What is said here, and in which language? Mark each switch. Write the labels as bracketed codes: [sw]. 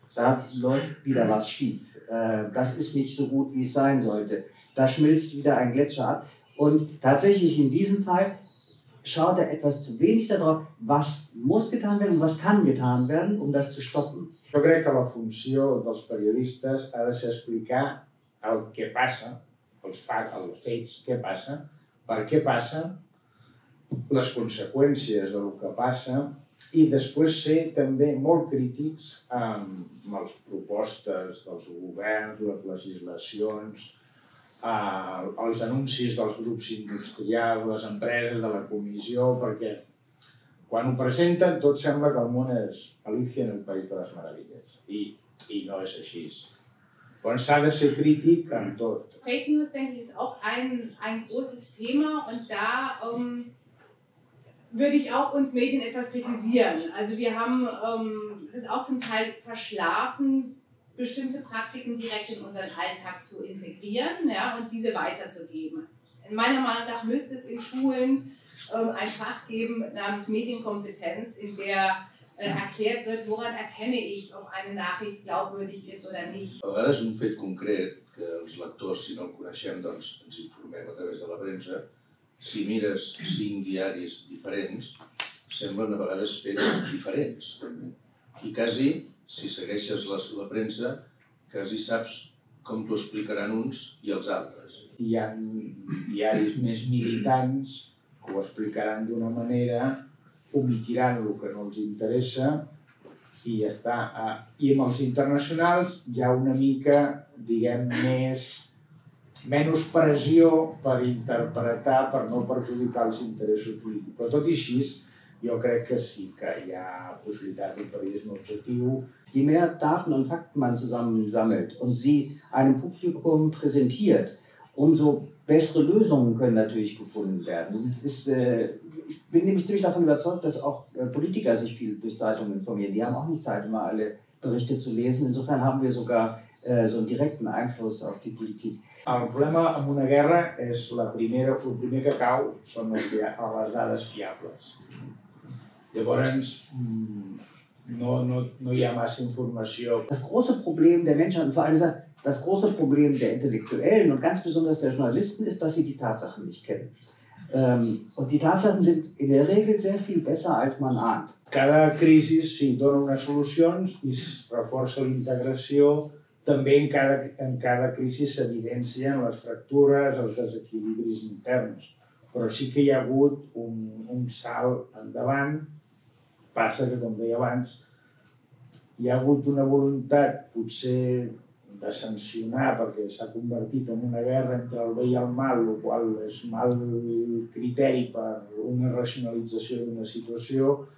[de] Da läuft wieder was schief. Das ist nicht so gut, wie es sein sollte. Da schmilzt wieder ein Gletscher ab. Und tatsächlich in diesem Fall schaut er etwas zu wenig darauf, was muss getan werden und was kann getan werden, um das zu stoppen. [ca] Jo crec que la funció dels periodistes ha de ser explicar el que passa, els facts, els fets, què passa, per què passa, les conseqüències del que passa i després ser també molt crítics amb les propostes dels governs, les legislacions, els anuncis dels grups industrials, les empreses, de la comissió, perquè quan ho presenten tot sembla que el món és Alicia en el País de les Meravelles. I no és així. Quan s'ha de ser crític en tot. [de] Fake News, denke ich, ist auch ein großes Thema und da würde ich auch uns Medien etwas kritisieren. Also wir haben es auch zum Teil verschlafen, bestimmte Praktiken direkt in unseren Alltag zu integrieren, ja, und diese weiterzugeben. In meiner Meinung nach müsste es in Schulen ein Fach geben namens Medienkompetenz, in der erklärt wird, woran erkenne ich, ob eine Nachricht glaubwürdig ist oder nicht. [ca] A vegades un fet concret que els lectors, si no el coneixem, doncs ens informem a través de la premsa. Si mires 5 diaris diferents, semblen a vegades fets diferents. I quasi, si segueixes la premsa, quasi saps com t'ho explicaran uns i els altres. Hi ha diaris més militants que ho explicaran d'una manera, omitiran el que no els interessa i ja està. I amb els internacionals hi ha una mica, diguem, menys pressió per interpretar, per no perjudicar els interessos polítics. Però tot i així, jo crec que sí que hi ha possibilitat d'un periodisme objectiu. [de] Je mehr Daten und Fakten man zusammensammelt und sie einem Publikum präsentiert, umso bessere Lösungen können natürlich gefunden werden. Ich bin nämlich ziemlich davon überzeugt, dass auch Politiker sich viel durch Zeitungen informieren. Die haben auch nicht Zeit, immer alle Berichte zu lesen. Insofern haben wir sogar so einen direkten Einfluss auf die Politik. [ca] El problema amb una guerra és el primer que cau són les dades fiables. Llavors, no hi ha massa informació. [de] Das große Problem der Menschen, vor allem das große Problem der Intellektuellen und ganz besonders der Journalisten ist, dass sie die Tatsachen nicht kennen. Und die Tatsachen sind in der Regel sehr viel besser, als man ahnt. [ca] Cada crisi s'hi dona unes solucions i es reforça la integració. També en cada crisi s'evidencien les fractures, els desequilibris interns. Però sí que hi ha hagut un salt endavant. Passa que, com deia abans, hi ha hagut una voluntat, potser, de sancionar, perquè s'ha convertit en una guerra entre el bé i el mal, el qual és mal criteri per una racionalització d'una situació.